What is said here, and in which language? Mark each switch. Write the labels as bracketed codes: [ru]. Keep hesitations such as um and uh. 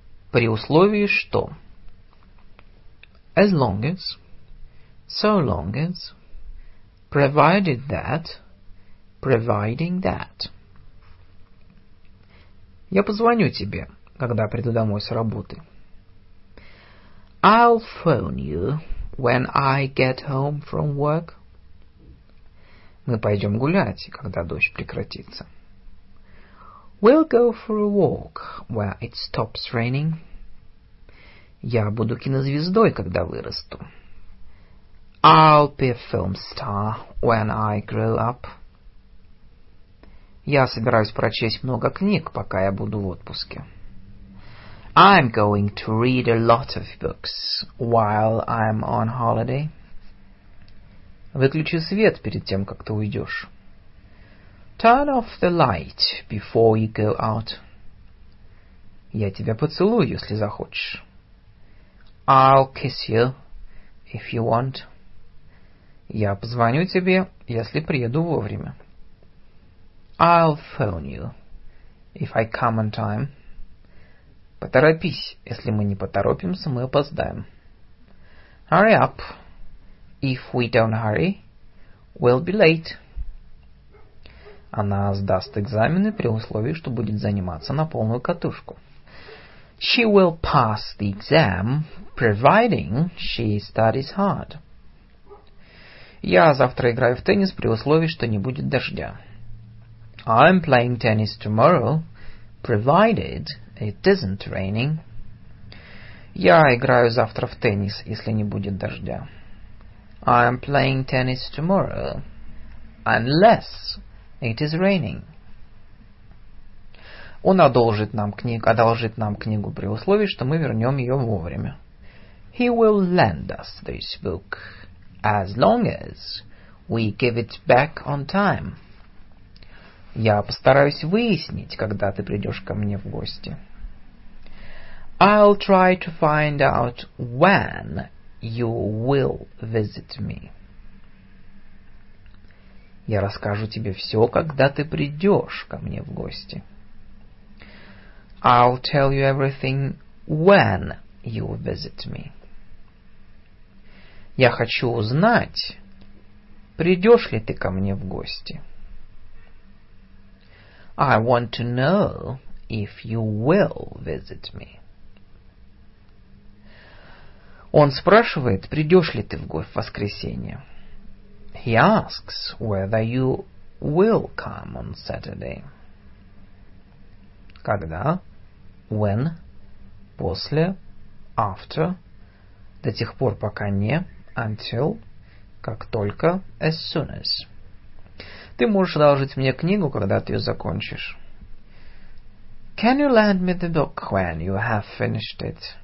[ru] при условии что, [en] as long as, so long as, provided that, providing that. [ru] Я позвоню тебе, когда приду домой с работы. [en] I'll phone you when I get home from work. [ru] Мы пойдем гулять, когда дождь прекратится. [en] We'll go for a walk where it stops raining. [ru] Я буду кинозвездой, когда вырасту. [en] I'll be a film star when I grow up. [ru] Я собираюсь прочесть много книг, пока я буду в отпуске. [en] I'm going to read a lot of books while I'm on holiday. [ru] Выключи свет перед тем, как ты уйдешь. [en] Turn off the light before you go out. [ru] Я тебя поцелую, если захочешь. [en] I'll kiss you if you want. [ru] Я позвоню тебе, если приеду вовремя. [en] I'll phone you if I come on time. [ru] Поторопись, если мы не поторопимся, мы опоздаем. [en] Hurry up. If we don't hurry, we'll be late. [ru] Она сдаст экзамены при условии, что будет заниматься на полную катушку. [en] She will pass the exam, providing she studies hard. [ru] Я завтра играю в теннис при условии, что не будет дождя. [en] I'm playing tennis tomorrow, provided it isn't raining. [ru] Я играю завтра в теннис, если не будет дождя. [en] I'm playing tennis tomorrow, unless it is raining. [ru] Он одолжит нам, книг, одолжит нам книгу при условии, что мы вернем ее вовремя. [en] He will lend us this book as long as we give it back on time. [ru] Я постараюсь выяснить, когда ты придешь ко мне в гости. [en] I'll try to find out when you will visit me. [ru] Я расскажу тебе все, когда ты придешь ко мне в гости. [en] I'll tell you everything when you visit me. [ru] Я хочу узнать, придешь ли ты ко мне в гости. [en] I want to know if you will visit me. [ru] Он спрашивает, придешь ли ты в го- в воскресенье. [en] He asks whether you will come on Saturday. [ru] Когда? [en] When? [ru] После? [en] After? [ru] До тех пор, пока не. [en] Until? [ru] Как только. [en] As soon as. [ru] Ты можешь одолжить мне книгу, когда ты ее закончишь. [en] Can you lend me the book when you have finished it?